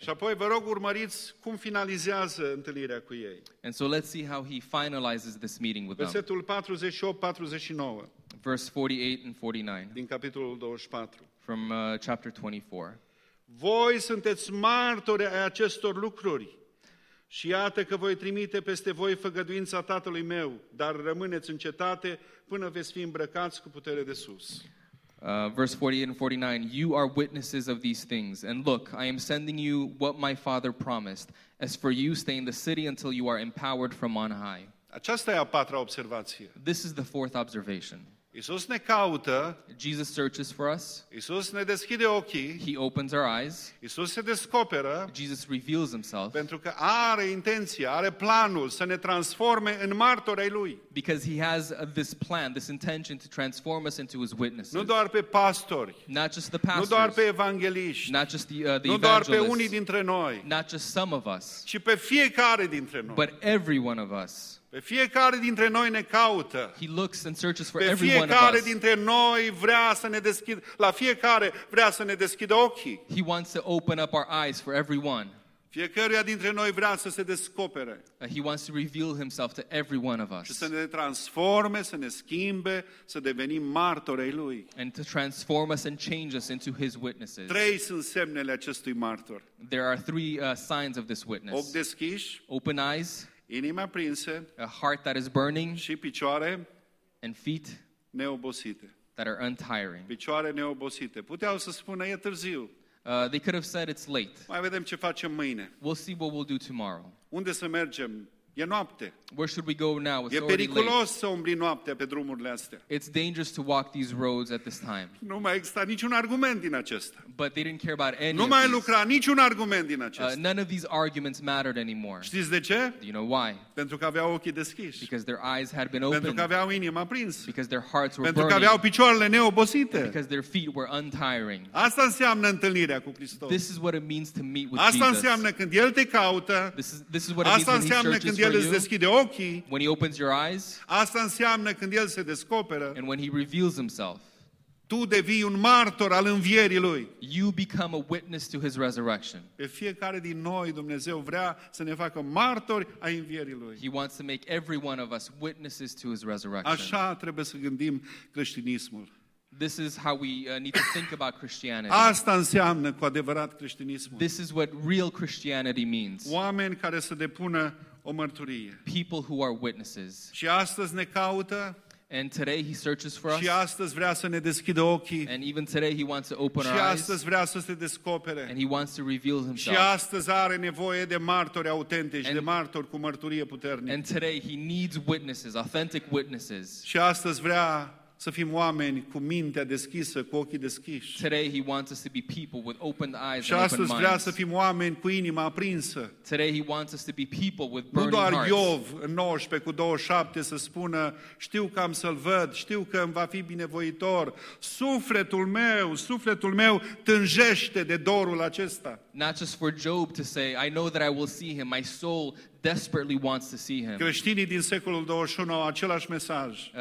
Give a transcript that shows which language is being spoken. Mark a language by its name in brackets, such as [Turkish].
[Romanian] Și apoi vă rog urmăriți cum finalizează întâlnirea cu ei. [English] And so let's see how he finalizes this meeting with [Romanian] Versetul [English] them. [Romanian] Versetul 48-49. [English] Verse 48 and 49. [Romanian] Din capitolul 24. [English] From chapter 24. [Romanian] Voi sunteți martori ai acestor lucruri și iată că voi trimite peste voi făgăduința Tatălui meu, dar rămâneți în cetate până veți fi îmbrăcați cu putere de sus. [English] Verse 48 and 49, you are witnesses of these things, and look, I am sending you what my Father promised. As for you, stay in the city until you are empowered from on high. [Romanian] Aceasta e a patra observație. [English] This is the fourth observation. [Romanian] Isus ne caută. [English] Jesus searches for us. [Romanian] Isus ne deschide ochii. [English] He opens our eyes. [Romanian] Isus se descoperă. [English] Jesus reveals himself. [Romanian] Pentru că are intenția, are planul să ne transforme în martori ai lui. [English] Because he has this plan, this intention to transform us into his witnesses. [Romanian] Nu doar pe pastori. [English] Not just the pastors. [Romanian] Nu doar pe evangeliști. [English] Not just the evangelists. [Romanian] Nu doar pe unii dintre noi. [English] Not just some of us. [Romanian] Ci pe fiecare dintre noi. [English] But every one of us. [Romanian] Pe fiecare dintre noi ne caută. [English] He looks and searches for every one of us. [Romanian] Pe fiecare dintre noi vrea să ne deschidă, la fiecare vrea să ne deschidă ochii. [English] He wants to open up our eyes for everyone. [Romanian] Fiecăruia dintre noi vrea să se descopere. [English] He wants to reveal himself to every one of us. [Romanian] Și să ne transforme, să ne schimbe, să devenim martori ai lui. [English] And to transform us and change us into his witnesses. [Romanian] Trei sunt semnele acestui martor. [English] There are three signs of this witness. [Romanian] Ochi deschiși. [English] Open eyes. [Romanian] Inima prinse, [English] a heart that is burning, [Romanian] și picioare, [English] and feet [Romanian] neobosite, [English] that are untiring. [Romanian] Picioare neobosite. Puteau să spună, e târziu. [English] They could have said it's late. [Romanian] Mai vedem ce facem mâine. [English] We'll see what we'll do tomorrow. [Romanian] Unde să mergem? E noapte. [English] Where should we go now? It's [Romanian] e periculos să umbli noaptea pe drumurile astea. [English] It's dangerous to walk these roads at this time. [Romanian] Nu mai exista niciun argument din acesta. [English] But they didn't care about any [Romanian] nu mai [English] of [Romanian] lucra [English] these. [Romanian] Niciun argument din acesta. [English] None of these arguments mattered anymore. [Romanian] Știți de ce? [English] Do you know why? [Romanian] Pentru că aveau ochii deschiși. [English] Because their eyes had been opened. [Romanian] Pentru că aveau inima prins. [English] Because their hearts were [Romanian] pentru [English] burning. [Romanian] Pentru că aveau picioarele neobosite. [English] Because their feet were untiring. [Romanian] Asta înseamnă întâlnirea cu Hristos. [English] This is what it means to meet with [Romanian] asta [English] Jesus. [Romanian] Asta înseamnă când El te caută. [English] This is what it means [Romanian] asta [English] when He searches [Romanian] când El îți deschide ochii, [English] when he opens your eyes, [Romanian] asta înseamnă când El se descoperă, [English] and when he reveals himself, [Romanian] tu devii un martor al învierii Lui. [English] You become a witness to his resurrection. [Romanian] Pe fiecare din noi, Dumnezeu vrea să ne facă martori ai învierii Lui. [English] He wants to make every one of us witnesses to his resurrection. [Romanian] Așa trebuie să gândim creștinismul. [English] This is how we need to think about Christianity. [Romanian] Asta înseamnă cu adevărat creștinismul. [English] This is what real Christianity means. [Romanian] Oameni care să depună o mărturie. [English] People who are witnesses. [Romanian] Și astăzi ne caută. [English] And today he searches for us. [Romanian] Și astăzi vrea să ne deschidă ochii. [English] And even today he wants to open [Romanian] și [English] our eyes. [Romanian] Și astăzi vrea să se descopere. [English] And he wants to reveal himself. [Romanian] Și astăzi are nevoie de martori autentici, de martori cu mărturie puternică. [English] And today he needs witnesses, authentic witnesses. [Romanian] Și astăzi vrea să fim oameni cu mintea deschisă, cu ochii deschiși. [English] Today he wants us to be people with open eyes [Romanian] și [English] and open minds. [Romanian] Și astăzi vrea să fim oameni cu inima aprinsă. [English] Today he wants us to be people with burning hearts. [Romanian] Nu doar Iov în 19 cu 27 să spună, știu că am să-l văd, știu că îmi va fi binevoitor. Sufletul meu tânjește de dorul acesta. [English] Not just for Job to say, I know that I will see him, my soul desperately wants to see him. [Romanian] Creștinii din secolul 21 au același mesaj.